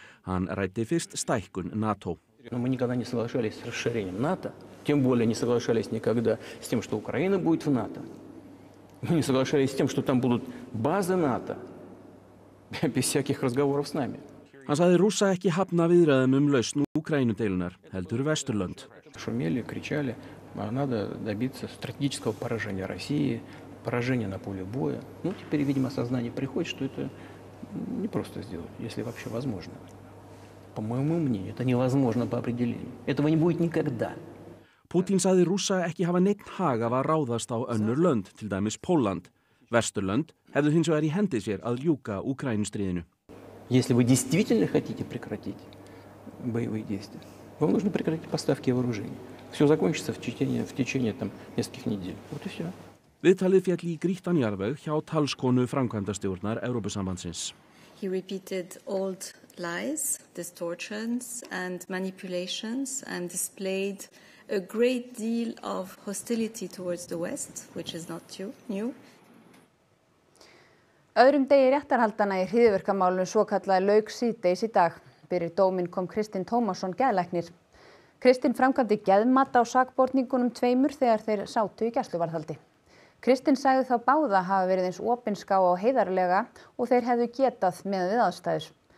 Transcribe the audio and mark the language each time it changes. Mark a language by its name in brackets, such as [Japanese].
[Icelandic] Hann ræddi fyrst stækkun NATO. Hann sagði Rússa ekki hafna viðræðum lausn Úkraínudeilunar, heldur Vesturlönd. [Russian] Надо добиться стратегического поражения России, поражения на поле боя. Ну, теперь, видимо, сознание приходит, что это не просто сделать, если вообще возможно. По моему мнению, это невозможно по определению. Этого не будет никогда. [Icelandic] Путин sagði Rússa ekki hafa neitt hag af að ráðast á önnur lönd, til dæmis Pólland. Vesturlönd hefðu hins vegar í hendi sér að ljúka Úkraínustríðinu. [Russian] Если вы действительно хотите прекратить боевые действия, вам нужно прекратить поставки вооружений. Всё закончится в течение там нескольких недель. Вот и всё. [Icelandic] Viðtalið féll í grýttan jarðveg hjá talskonu framkvæmdastjórnar Evrópusambandsins. [English] He repeated old lies, distortions and manipulations and displayed a great deal of hostility towards the West, which is not new. [Icelandic] Öðrum degi réttarhaldanna í hryðjuverkamálinu svokallaði lauk síðdegis í dag. Fyrir dóminn kom Kristinn Tómasson geðlæknir. Kristinn framkvæmdi geðmat á sakborningunum tveimur þegar þeir sátu í gæsluvarðhaldi. Kristinn sagði þá báða hafa verið eins opinská og heiðarlega og þeir hefðu getað með við aðstæður.